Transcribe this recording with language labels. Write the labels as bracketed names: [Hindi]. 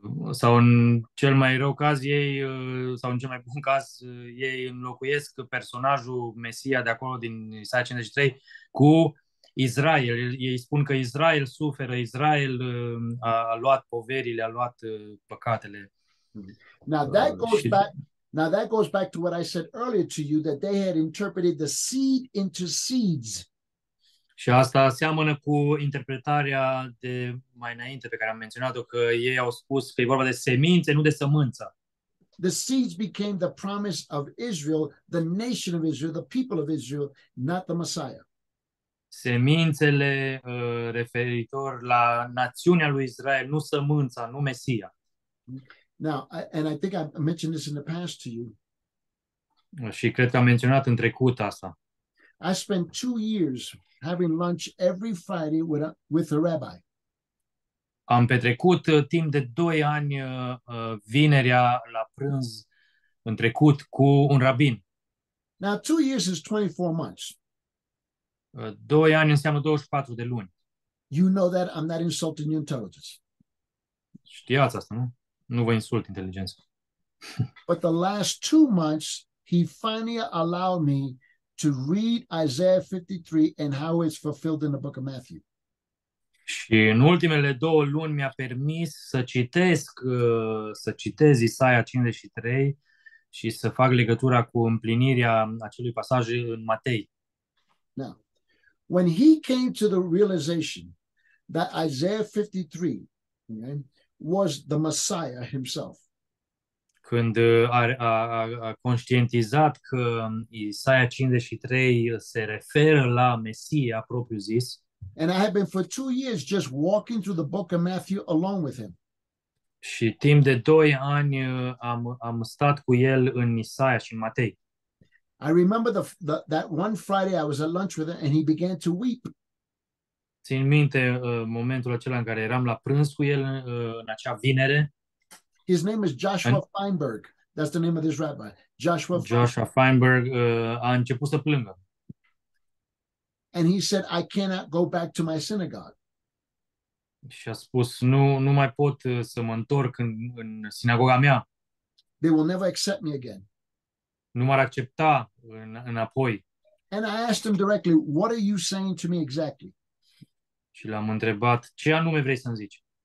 [Romanian] Sau în cel mai rău caz ei, sau în cel mai bun caz, ei înlocuiesc personajul Mesia de acolo din Isaia 53 cu Israel. Ei spun că Israel suferă, Israel a luat poverile, a luat păcatele. [English] Now that goes back to what I said earlier to you, that they had interpreted the seed into seeds. [Romanian] Și asta seamănă cu interpretarea de mai înainte pe care am menționat-o, că ei au spus că e vorba de semințe, nu de sămânță. [English] The seeds became the promise of Israel, the nation of Israel, the people of Israel, not the Messiah. [Romanian] Semințele referitor la națiunea lui Israel, nu sămânța, nu Mesia. [English] Now, I think I mentioned this in the past to you. [Romanian] Și cred că am menționat în trecut asta. [English] I spent 2 years having lunch every Friday with a rabbi. [Romanian] Am petrecut timp de 2 ani vinerea la prânz în trecut cu un rabin. [English] Now 2 years is 24 months. [Romanian] 2 ani înseamnă 24 de luni. [English] You know that I'm not insulting your intelligence. [Romanian] Știați asta, nu? Nu vă insult inteligența. [English] But the last 2 months he finally allowed me to read Isaiah 53 and how it's fulfilled in the book of Matthew. [Romanian] Și în ultimele 2 luni mi-a permis să citesc să citez Isaia 53 și să fac legătura cu împlinirea acelui pasaj în Matei. [English] Now, when he came to the realization that Isaiah 53, okay, was the Messiah himself. [Romanian] Când a conștientizat că Isaia 53 se referă la Mesia propriu zis. [English] And I have been for 2 years just walking through the book of Matthew along with him. [Romanian] Și timp de 2 ani am stat cu el în Isaia și în Matei. [English] I remember that one Friday I was at lunch with him and he began to weep. [Romanian] Țin minte momentul acela în care eram la prânz cu el în acea vinere. [English] His name is Joshua Feinberg. That's the name of this rabbi. [Romanian] Joshua Feinberg a început să plângă. [English] And he said, I cannot go back to my synagogue. [Romanian] Și a spus, nu mai pot să mă întorc în sinagoga mea. [English] They will never accept me again. [Romanian] Nu m-ar accepta înapoi. [English] And I asked him directly, what are you saying to me exactly? [Romanian] Și l-am întrebat, ce anume vrei să-mi zici?